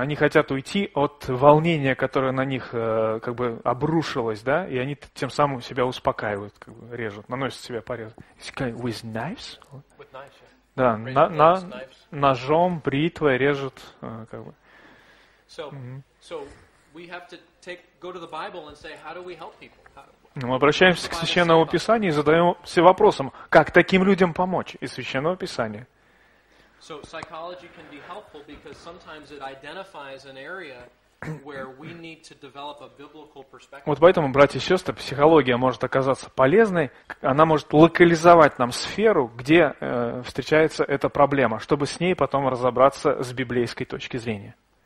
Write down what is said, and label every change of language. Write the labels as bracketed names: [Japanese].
[Russian] Они хотят уйти от волнения, которое на них обрушилось, и они тем самым себя успокаивают, режут, наносят себе порез. [English] With knives? With knives, yeah. [Russian] Да, ножом, бритвой режут, как бы. [English] So we have to take, go to the Bible and say, how do we help people? [Russian] Мы обращаемся к Священному Писанию и задаемся вопросом, как таким людям помочь из Священного Писания. [English] So psychology can be helpful because sometimes it identifies an area where we need to develop a biblical perspective. [Russian] Вот поэтому, братья и сестры, психология может оказаться полезной, она может локализовать нам сферу, где встречается эта проблема, чтобы с ней потом разобраться с библейской точки зрения.